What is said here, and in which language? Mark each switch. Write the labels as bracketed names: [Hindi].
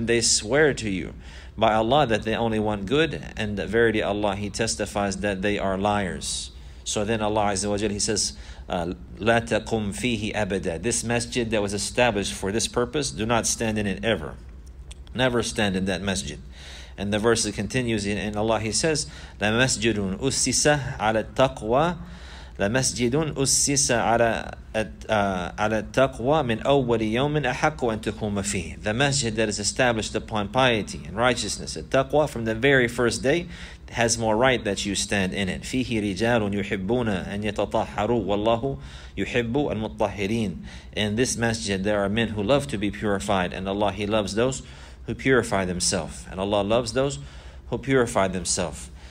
[English] And they swear to you by Allah that they only want good, and verily Allah, He testifies that they are liars. So then Allah Azza wa Jalla, He says, [Arabic] لَا تَقُمْ فِيهِ أَبَدًا. [English] This masjid that was established for this purpose, do not stand in it ever. Never stand in that masjid. And the verse continues, in Allah, He says, [Arabic] لَمَسْجِدٌ أُسِّسَ عَلَى التَّقْوَى لَمَسْجِدٌ أُسِّسَ عَلَى التَّقْوَى مِنْ أَوَّلِ يَوْمٍ أَحَقُّ أَنْ تُكُومَ فِيهِ. [English] The masjid that is established upon piety and righteousness, at taqwa, from the very first day, has more right that you stand in it. [Arabic] فِيهِ رِجَالٌ يُحِبُّونَ أَنْ يَتَطَحَّرُوا وَاللَّهُ يُحِبُّ الْمُطَّحِّرِينَ. [English] In this masjid, there are men who love to be purified, and Allah, He loves those who purify themselves, and Allah loves those who purify themselves.